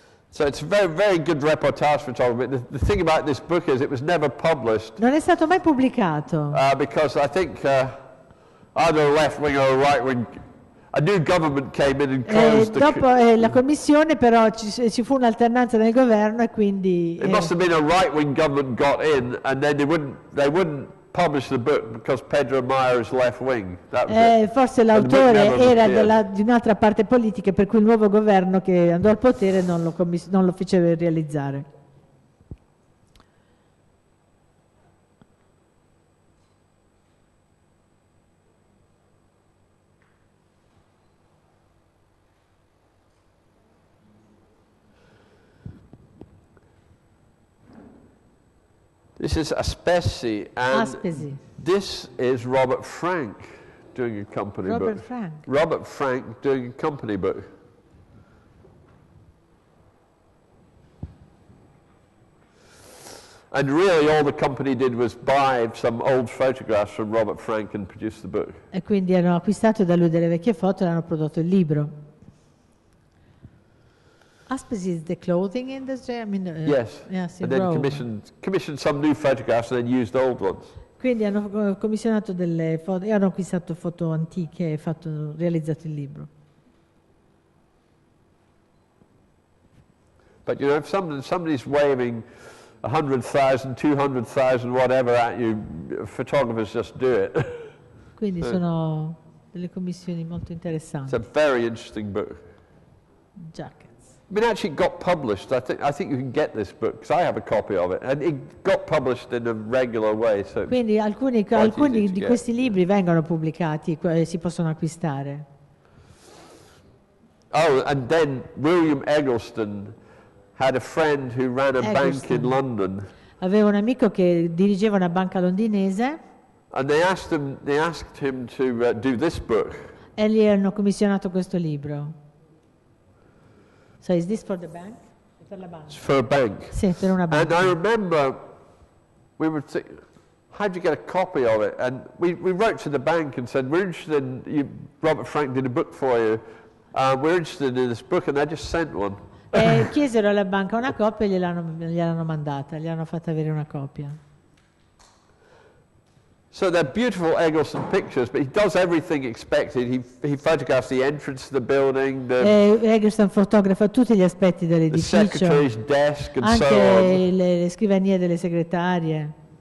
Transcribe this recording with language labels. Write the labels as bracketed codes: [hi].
[en] So it's a very, very good reportage photography. The thing about this book is it was never published. [it] Non è stato mai pubblicato. [en] Because I think either a left wing or a right wing, a new government came in and closed the. [it] Dopo la commissione, però ci fu un'alternanza nel governo e quindi. [en] It must have been a right wing government got in, and then they wouldn't published the book because Pedro Meyer is left wing. [it] Forse l'autore era di un'altra parte politica, per cui il nuovo governo che andò al potere non lo fece realizzare. [en] This is Aspesi, and Aspesi. This is Robert Frank doing a company Robert book. Robert Frank doing a company book. And really all the company did was buy some old photographs from Robert Frank and produce the book. [it] E quindi hanno acquistato da lui delle vecchie foto e hanno prodotto il libro. [en] Aspesi is the clothing industry. I mean, yes. And then commissioned some new photographs and then used old ones. [it] Quindi hanno commissionato delle foto e hanno acquistato foto antiche e fatto realizzato il libro. [en] But you know, if somebody's waving 100,000, 200,000, whatever at you, photographers just do it. [it] Quindi sono delle commissioni molto interessanti. [en] It's a very interesting book. Jack. I mean, actually, it got published. I think you can get this book because I have a copy of it, and it got published in a regular way. So [it] quindi alcuni di questi libri vengono pubblicati, si possono acquistare. [en] Oh, and then William Eggleston had a friend who ran a bank in London. [it] Aveva un amico che dirigeva una banca londinese. [en] And they asked him to do this book. [it] E gli hanno commissionato questo libro. [en] So is this for the bank? [it] Per la banca. [en] It's for a bank. [it] Sì, per una banca. [en] And I remember we were saying, how did you get a copy of it? And we wrote to the bank and said, we're interested in you, Robert Frank did a book for you. We're interested in this book, and they just sent one. [it] E chiesero alla banca una copia e gliel'hanno mandata, gli hanno fatto avere una copia. [en] So they're beautiful Eggleston pictures, but he does everything expected. He photographs the entrance to the building, [it] Eggleston fotografa tutti gli aspetti dell'edificio, [en] the secretary's desk, and [it] anche [en] so on. [it] Le scrivanie delle segretarie.